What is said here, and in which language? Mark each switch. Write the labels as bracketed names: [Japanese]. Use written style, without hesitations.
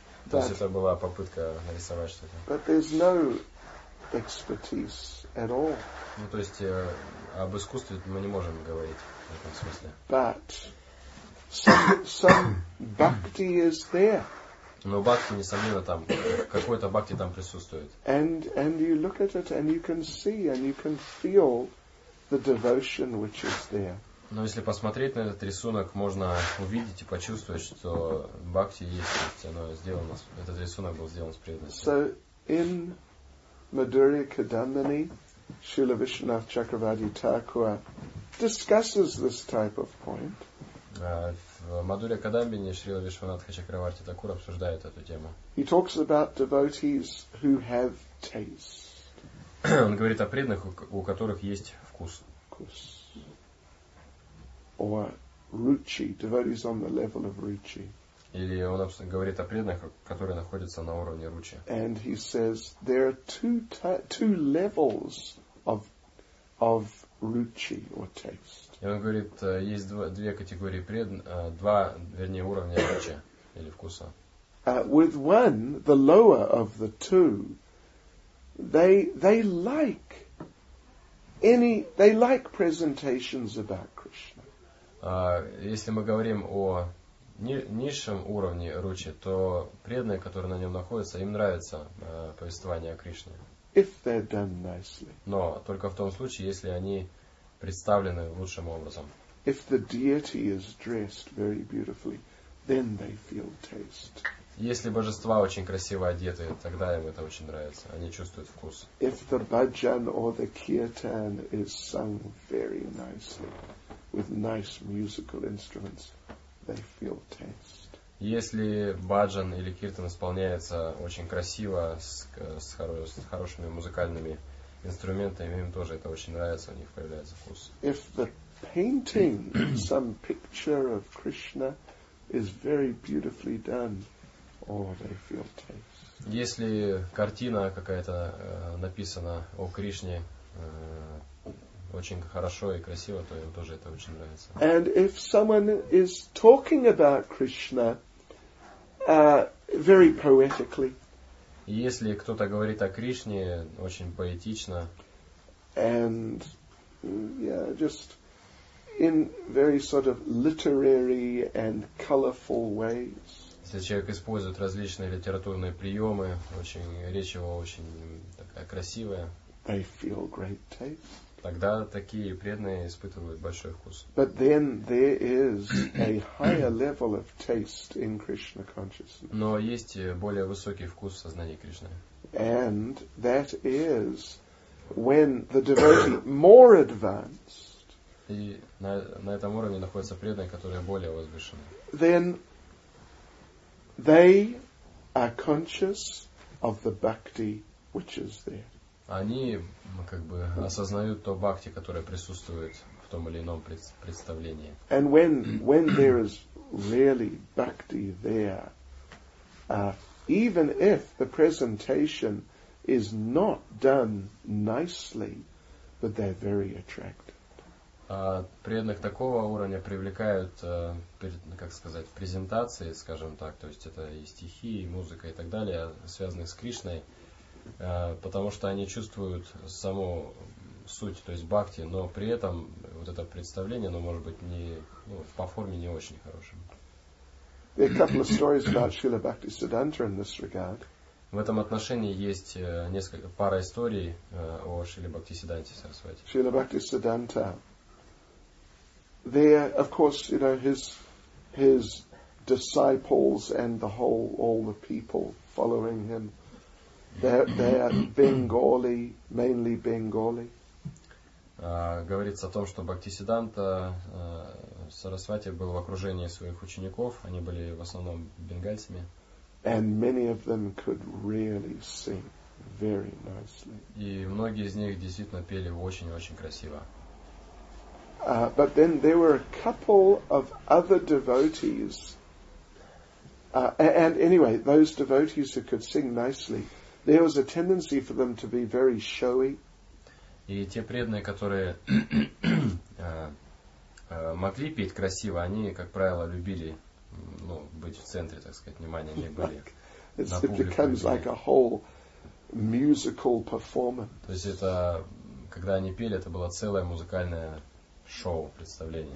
[Russian] То есть это была попытка нарисовать что-то. [English] But there's no expertise at all. [Russian] Ну, то есть об искусстве мы не можем говорить в этом смысле. [English] But some bhakti is there. [Russian] Но бхакти, несомненно, там, какой-то бхакти там присутствует. [English] And you look at it and you can see and you can feel the devotion which is there. [Russian] Но если посмотреть на этот рисунок, можно увидеть и почувствовать, что бхакти есть, оно сделано, этот рисунок был сделан с преданностью. [English] So in Madhurya Kadambini, Srila Vishwanath Chakravarti Thakura discusses this type of point. [Russian] В Madhurya Kadambini Srila Vishwanath Chakravarti Thakura обсуждает эту тему. [English] He talks about devotees who have taste. [Russian] Он говорит о преданных, у которых есть вкус. Вкус. [English] Or ruchi, devotees on the level of ruchi. [Russian] Или он говорит о преданных, которые находятся на уровне ручи. [English] And he says there are two levels of ruchi or taste. [Russian] И он говорит, есть две категории преданных, два, вернее, уровня ruchi или вкуса. [English] With one, the lower of the two, they like presentations about Krishna. [Russian] Если мы говорим о низшем уровне ручи, то преданные, которые на нем находятся, им нравится повествование о Кришне. [English] If they're done nicely. [Russian] Но только в том случае, если они представлены лучшим образом. [English] If the deity is dressed very beautifully, then they feel taste. [Russian] Если божества очень красиво одеты, тогда им это очень нравится. Они чувствуют вкус. [English] If the bhajan or the kirtan is sung very nicely, with nice musical instruments, they feel taste. [Russian] Если баджан или киртан исполняется очень красиво с хорошими музыкальными инструментами, им тоже это очень нравится, у них появляется вкус. [English] If the painting, some picture of Krishna, is very beautifully done, they feel taste. [Russian] Если картина какая-то написана о Кришне очень хорошо и красиво, то ему тоже это очень нравится. [English] And if someone is talking about Krishna very poetically. [Russian] Если кто-то говорит о Кришне очень поэтично. [English] And just in very sort of literary and colorful ways. [Russian] Если человек использует различные литературные приемы, очень речь его очень такая красивая. [English] They feel great taste. [Russian] Тогда такие преданные испытывают большой вкус. [English] But then there is a higher level of taste in Krishna consciousness. [Russian] Но есть более высокий вкус в сознании Кришны. [English] And that is when the devotee more advanced. [Russian] И на этом уровне находятся преданные, которые более возвышены. [English] Then they are conscious of the bhakti which is there. [Russian] Они как бы осознают то бхакти, которое присутствует в том или ином представлении. [English] And when there is really bhakti there, even if the presentation is not done nicely, but they're very attractive. [Russian] Преданных такого уровня привлекают, как сказать, презентации, скажем так, то есть это и стихи, и музыка, и так далее, связанные с Кришной. Потому что они чувствуют саму суть, то есть бхакти, но при этом вот это представление, оно может быть не, ну, по форме не очень хорошим. [English] There are a couple of stories about Srila Bhaktisiddhanta in this regard. [Russian] В этом отношении есть несколько пара историй о Шриле Бхактисиддханте Сарасвати. [English] Srila Bhaktisiddhanta. There, of course, you know, his disciples and the whole, all the people following him. They're Bengali, mainly Bengali. [Russian] Говорится о том, что Бхактисиддханта Сарасвати был в окружении своих учеников, они были в основном бенгальцами. [English] And many of them could really sing very nicely. [Russian] И многие из них действительно пели очень-очень красиво. [English] But then there were a couple of other devotees, and anyway, those devotees who could sing nicely. There was a tendency for them to be very showy. [Russian] И те преданные, которые могли петь красиво, они, как правило, любили, ну, быть в центре, так сказать, внимания, не были. [English] It becomes like a whole musical performance. [Russian] То есть это, когда они пели, это было целое музыкальное шоу, представление.